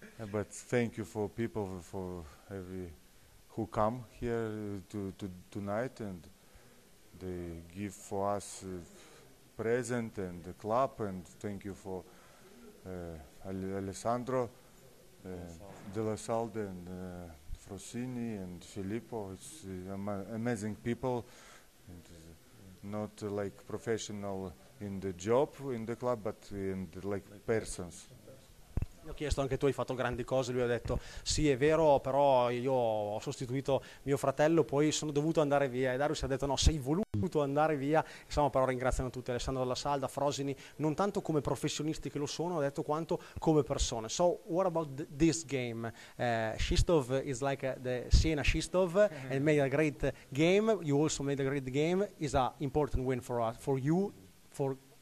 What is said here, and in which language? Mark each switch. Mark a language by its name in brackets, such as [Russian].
[English] But thank you for people for every who come here to tonight, and they give for us present and the club, and thank you for Alessandro De La Salde and Frosini and Filippo. It's amazing people, and not like professional in the job in the club, but in the, like persons. [Italian] Ho chiesto anche tu, hai fatto grandi cose, lui ha detto sì è vero, però io ho sostituito mio fratello, poi sono dovuto andare via, e Darius ha detto no, sei voluto andare via. Insomma, però ringraziano tutti Alessandro Della Salda, Frosini, non tanto come professionisti che lo sono, ha detto, quanto come persone. [English] So what about this game? Scistov is like the Siena Scistov and made a great game, you also made a great game, is a important win for us, for you, for